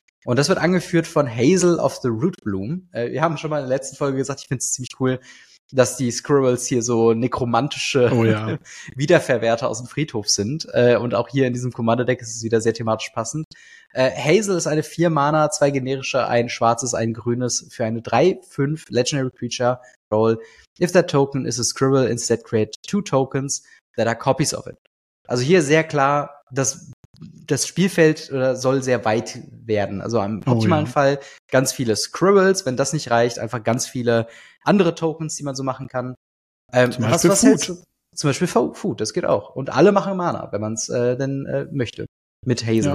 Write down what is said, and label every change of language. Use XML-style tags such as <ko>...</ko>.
<de>Und das wird angeführt von Hazel of the Root Bloom. Wir haben schon mal in der letzten Folge gesagt, ich finde es ziemlich cool, dass die Scribbles hier so nekromantische Wiederverwerter aus dem Friedhof sind. Und auch hier in diesem Commander Deck ist es wieder sehr thematisch passend. Hazel ist eine 4-Mana, 2 generische, ein schwarzes, ein grünes für eine 3-5 Legendary Creature Roll.</de> <en>If that token is a Scribble, instead create 2 tokens that are copies of it.</en> <de>Also hier sehr klar, das Spielfeld soll sehr weit werden. Also im optimalen Fall ganz viele Scribbles, wenn das nicht reicht, einfach ganz viele andere Tokens, die man so machen kann. Zum Beispiel Food, das geht auch. Und alle machen Mana, wenn man es denn möchte, mit Hazel.</de>